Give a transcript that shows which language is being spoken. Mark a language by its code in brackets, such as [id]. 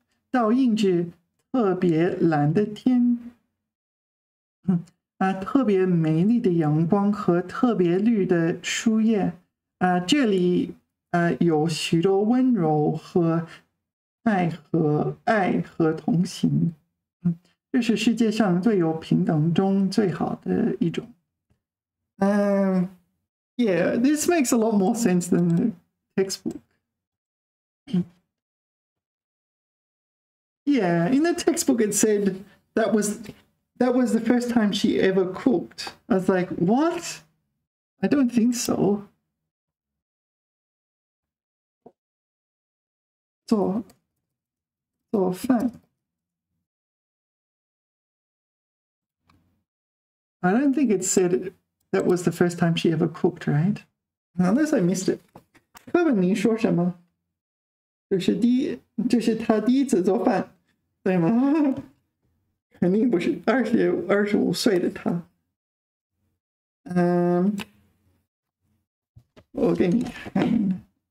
[zh] 倒映至特别蓝的天，特别美丽的阳光和特别绿的树叶，这里有许多温柔和爱和同行，这是世界上最有平等中最好的一种。 [en] This makes a lot more sense than the textbook. Yeah, in the textbook it said that was the first time she ever cooked. I was like, what? I don't think so. So fun. I don't think it said that was the first time she ever cooked, right? Unless I missed it. [zh] 课本你说什么？这是他第一次做饭，对吗？肯定不是25岁的他。我给你看。